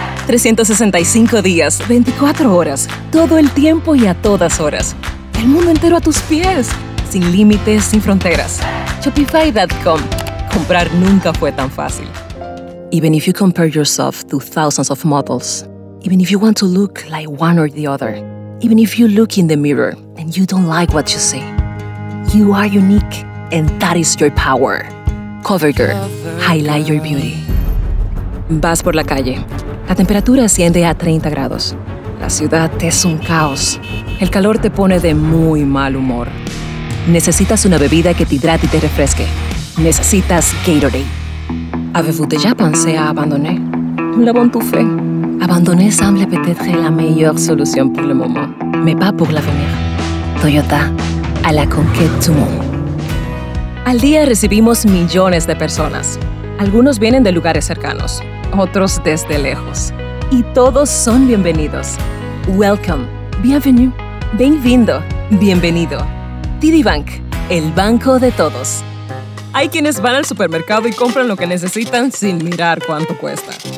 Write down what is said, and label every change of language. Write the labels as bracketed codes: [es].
[es] 365 días, 24 horas, todo el tiempo y a todas horas. El mundo entero a tus pies, sin límites, sin fronteras. Shopify.com. Comprar nunca fue tan fácil. [en] Even if you compare yourself to thousands of models, even if you want to look like one or the other, even if you look in the mirror and you don't like what you see, you are unique and that is your power. CoverGirl, highlight your beauty. [es] Vas por la calle. La temperatura asciende a 30 grados. La ciudad es un caos. El calor te pone de muy mal humor. Necesitas una bebida que te hidrate y te refresque. Necesitas Gatorade. [fr] Avez-vous déjà pensé a abandonné? La bonne touffe. Abandonné semble peut-être la meilleure solution pour le moment, mais pas pour l'avenir. Toyota, à la conquête du monde. [es] Al día recibimos millones de personas. Algunos vienen de lugares cercanos, otros desde lejos. Y todos son bienvenidos. [en] Welcome. [fr] Bienvenue. [pt] Bem-vindo. [es] Bienvenido. TD Bank, el banco de todos. Hay quienes van al supermercado y compran lo que necesitan sin mirar cuánto cuesta.